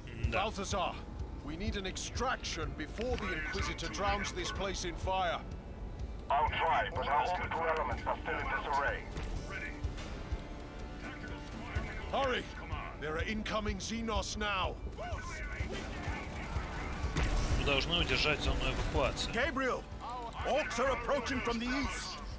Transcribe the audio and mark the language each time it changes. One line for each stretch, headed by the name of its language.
English: Balthazar, we need an extraction before the Inquisitor drowns this place in fire. I'll try, but our orbital elements are still in disarray. Hurry! There are incoming Xenos now.
Russian: Мы должны удержать зону эвакуации.
English: Gabriel, orcs are approaching from the east.